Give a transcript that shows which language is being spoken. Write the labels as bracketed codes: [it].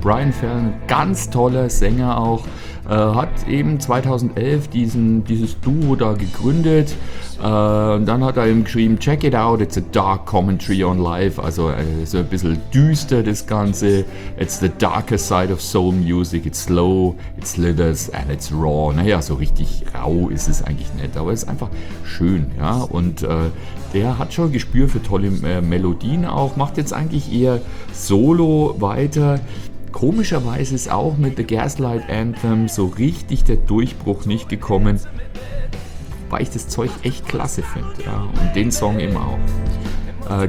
[de] Brian Ferry, ganz toller Sänger auch, hat eben 2011 dieses Duo da gegründet. Und dann hat er eben geschrieben, [en] check it out, it's a dark commentary on life. [de] Also so ein bisschen düster das Ganze. [en] It's the darker side of soul music. It's slow, it slithers and it's raw. [de] Naja, so richtig rau ist es eigentlich nicht, aber es ist einfach schön. Ja? Und der hat schon Gespür für tolle Melodien auch. Macht jetzt eigentlich eher solo weiter. Komischerweise ist auch mit The Gaslight Anthem so richtig der Durchbruch nicht gekommen, weil ich das Zeug echt klasse finde, ja, und den Song eben auch.